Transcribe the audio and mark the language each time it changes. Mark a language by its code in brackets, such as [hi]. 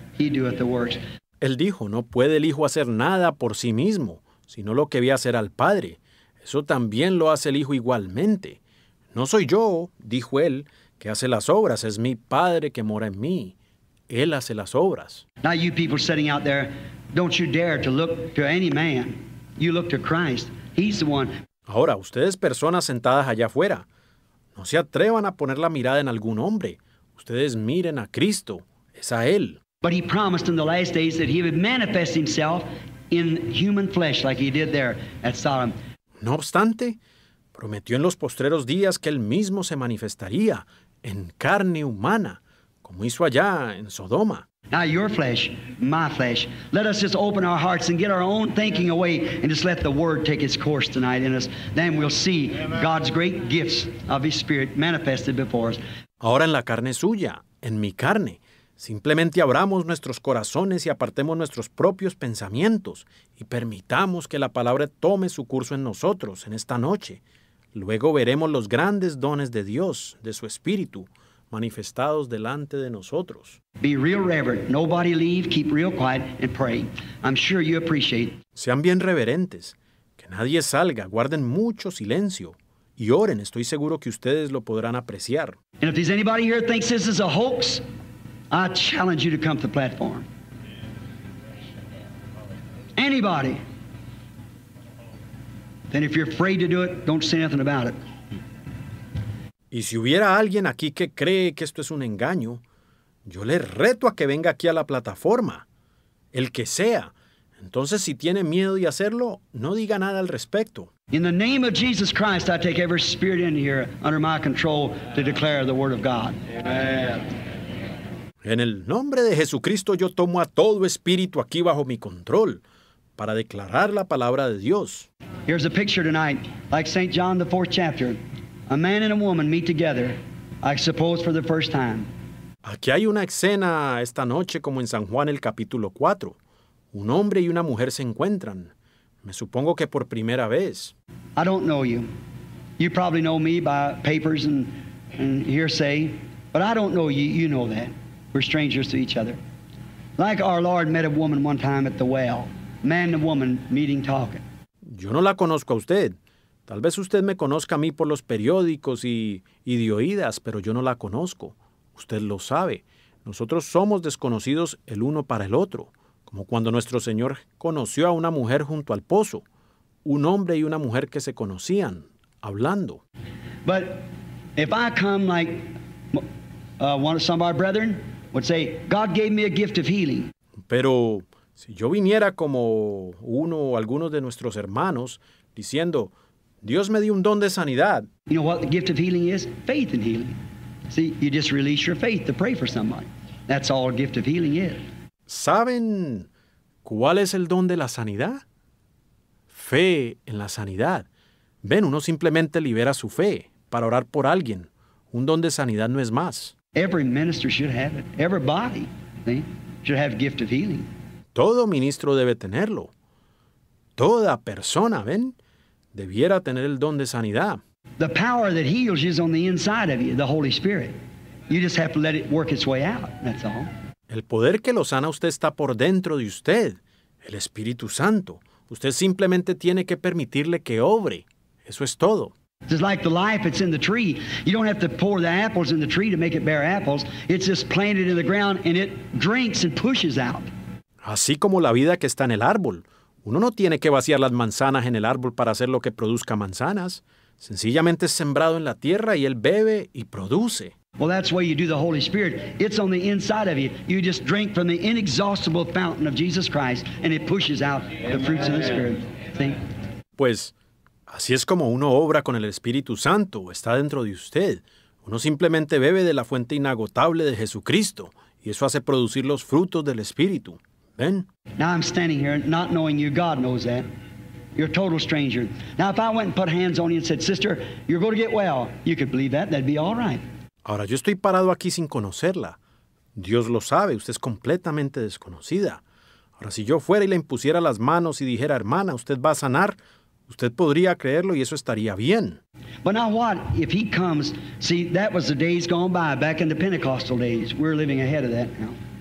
[en] He doeth the works. [es] Él dijo, no puede el Hijo hacer nada por sí mismo, sino lo que ve hacer al Padre. Eso también lo hace el Hijo igualmente. No soy yo, dijo él, que hace las obras, es mi Padre que mora en mí. Él hace las obras. [en] Now you people sitting out there, don't you dare to look to any man. You look to Christ. He's the one. [es] Ahora, ustedes personas sentadas allá afuera, no se atrevan a poner la mirada en algún hombre. Ustedes miren a Cristo. Es a Él. [en] But he promised in the last days that he would manifest himself in human flesh like he did there at Sodom. [es] No obstante, prometió en los postreros días que Él mismo se manifestaría en carne humana, como hizo allá en Sodoma. [en] Now your flesh, my flesh, let us just open our hearts and get our own thinking away and just let the Word take its course tonight in us. Then we'll see God's great gifts of His Spirit manifested before us. [es] Ahora en la carne suya, en mi carne, simplemente abramos nuestros corazones y apartemos nuestros propios pensamientos y permitamos que la palabra tome su curso en nosotros en esta noche. Luego veremos los grandes dones de Dios, de su Espíritu, manifestados delante de nosotros. [en] Be real reverent. Nobody leave. Keep real quiet and pray. I'm sure you appreciate. [es] Sean bien reverentes. Que nadie salga. Guarden mucho silencio. Y oren. Estoy seguro que ustedes lo podrán apreciar. [en] And if there's anybody here thinks this is a hoax, I challenge you to come to the platform. anybody, then if you're afraid to do it, don't say nothing about it. [es] Y si hubiera alguien aquí que cree que esto es un engaño, yo le reto a que venga aquí a la plataforma, el que sea. Entonces, si tiene miedo de hacerlo, no diga nada al respecto. [en] In the name of Jesus Christ, I take every spirit in here under my control to declare the word of God. Amen. [es] En el nombre de Jesucristo, yo tomo a todo espíritu aquí bajo mi control para declarar la palabra de Dios. [en] Here's a picture tonight, like St. John, the fourth chapter. A man and a woman meet together, I suppose for the first time. [es] Aquí hay una escena esta noche como en San Juan, el capítulo 4. Un hombre y una mujer se encuentran. Me supongo que por primera vez. [en] I don't know you. You probably know me by papers and hearsay. But I don't know you. You know that. We're strangers to each other. Like our Lord met a woman one time at the well. Man and woman meeting, talking. [es] Yo no la conozco a usted. Tal vez usted me conozca a mí por los periódicos y de oídas, pero yo no la conozco. Usted lo sabe. Nosotros somos desconocidos el uno para el otro. Como cuando nuestro Señor conoció a una mujer junto al pozo, un hombre y una mujer que se conocían, hablando. [en] But if I come like one of some of our brethren would say, God gave me a gift of healing. [es] Pero si yo viniera como uno o algunos de nuestros hermanos diciendo, Dios me dio un don de sanidad. [en] You know what the gift of healing is? Faith in healing. See, you just release your faith to pray for somebody. That's all a gift of healing is. [es] ¿Saben cuál es el don de la sanidad? Fe en la sanidad. Ven, uno simplemente libera su fe para orar por alguien. Un don de sanidad no es más. [en] Every minister should have it. Everybody, should have gift of healing. [es] Todo ministro debe tenerlo. Toda persona, ven, debiera tener el don de sanidad. [en] The power that heals is on the inside of you, the Holy Spirit. You just have to let it work its way out, that's all. [es] El poder que lo sana usted está por dentro de usted, el Espíritu Santo. Usted simplemente tiene que permitirle que obre. Eso es todo. [en] It's like the life that's in the tree. You don't have to pour the apples in the tree to make it bear apples. It's just planted in the ground and it drinks and pushes out. [es] Así como la vida que está en el árbol. Uno no tiene que vaciar las manzanas en el árbol para hacer lo que produzca manzanas. Sencillamente es sembrado en la tierra y él bebe y produce. [en] Well, that's why you do the Holy Spirit. It's on the inside of you. You just drink from the inexhaustible fountain of Jesus Christ, and it pushes out the fruits of the Spirit. See? [es] Pues, así es como uno obra con el Espíritu Santo. Está dentro de usted. Uno simplemente bebe de la fuente inagotable de Jesucristo, y eso hace producir los frutos del Espíritu. ¿Ven? [en] Now I'm standing here, not knowing you. God knows that. You're a total stranger. Now, if I went and put hands on you and said, Sister, you're going to get well, you could believe that. That'd be all right. [es] Ahora, yo estoy parado aquí sin conocerla. Dios lo sabe, usted es completamente desconocida. Ahora, si yo fuera y le impusiera las manos y dijera, hermana, usted va a sanar, usted podría creerlo y eso estaría bien. [en] But now what? If he comes, see, that was the days gone by, back in the Pentecostal days. We're living ahead of that now.